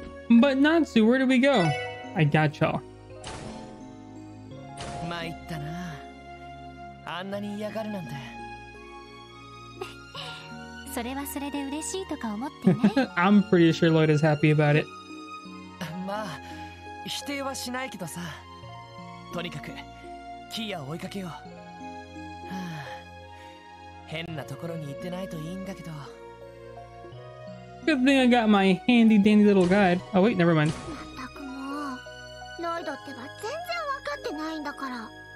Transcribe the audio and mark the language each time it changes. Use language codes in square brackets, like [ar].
[en] But Natsu, where do we go? I got y'all. [ja] まいったな。あんなに嫌がるなんて。それはそれで嬉しいとか思ってない。 [en] I'm pretty sure Lloyd is happy about it. [ja] まあ、否定はしないけどさ、とにかくキーヤを追いかけよう。変なところに行ってないといいんだけど。 [en] Good thing I got my handy dandy little guide. Oh wait, never mind. [ja] まったくもう、ノイドってば全然わかってないんだから。